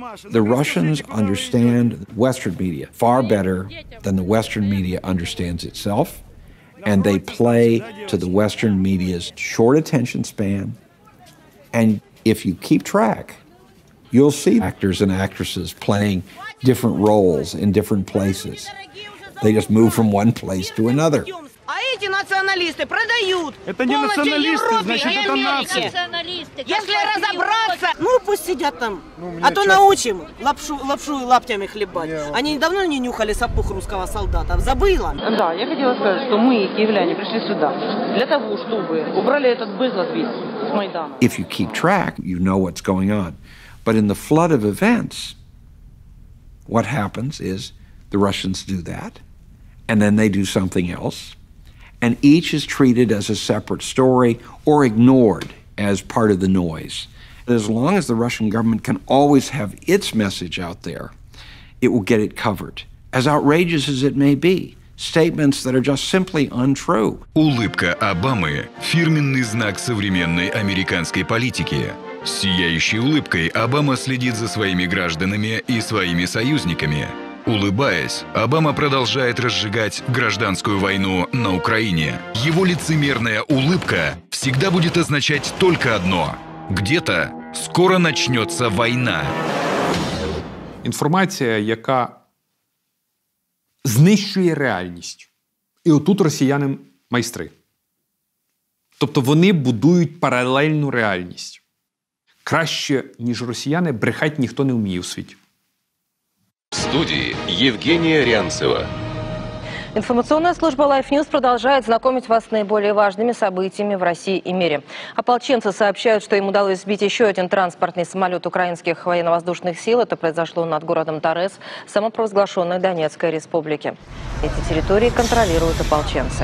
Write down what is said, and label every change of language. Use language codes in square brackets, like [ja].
[en] The Russians understand Western media far better than the Western media understands itself, and they play to the Western media's short attention span. And if you keep track, you'll see actors and actresses playing different roles in different places. They just move from one place to another. [ru] А эти националисты продают. Это не националисты, Европе, значит, это нации. Если разобраться, ну пусть сидят там, ну, а то научим лапшу и лаптями хлебать. Они давно не нюхали сапог русского солдата, забыла? Да, я хотела сказать, что мы, киевляне, пришли сюда для того, чтобы убрали этот безлад весь с Майдана. [en] If you keep track, you know what's going on. But in the flood of events, what happens is the Russians do that, and then they do something else. And each is treated as a separate story or ignored as part of the noise. As long as the Russian government can always have its message out there, it will get it covered. As outrageous as it may be, statements that are just simply untrue. [ru] Улыбка Обамы – фирменный знак современной американской политики. С сияющей улыбкой Обама следит за своими гражданами и своими союзниками. улыбаясь, Обама продолжает разжигать гражданскую войну на Украине. Его лицемерная улыбка всегда будет означать только одно – где-то скоро начнется война. [uk] Інформація, яка знищує реальність. І отут росіяни майстри. Тобто вони будують паралельну реальність. Краще, ніж росіяни, брехати ніхто не вміє у світі. В студії Євгенія Рянцева. [ru] Информационная служба Life News продолжает знакомить вас с наиболее важными событиями в России и мире. Ополченцы сообщают, что им удалось сбить еще один транспортный самолет украинских военно-воздушных сил. Это произошло над городом Торез, самопровозглашенной Донецкой республики. Эти территории контролируют ополченцы.